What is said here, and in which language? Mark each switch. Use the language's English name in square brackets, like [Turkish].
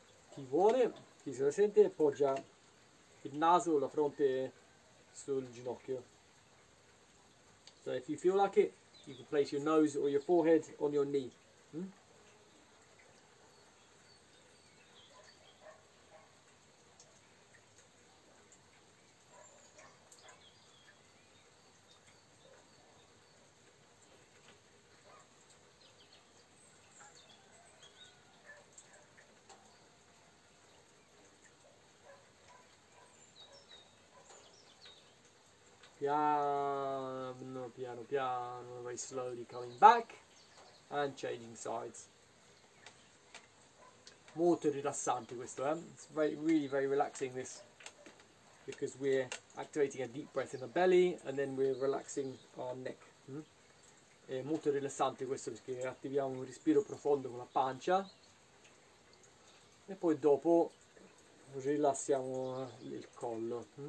[Italian] Chi vuole, chi se la sente, poggia il naso o la fronte sul ginocchio. [English] So if you feel like it, you can place your nose or your forehead on your knee. [Italian] Piano, piano, piano, [English] very slowly coming back and changing sides. [Italian] Molto rilassante questo, eh? [English] It's very relaxing this, because we're activating a deep breath in the belly and then we're relaxing our neck. [Italian] È molto rilassante questo perché attiviamo un respiro profondo con la pancia e poi dopo rilassiamo il collo.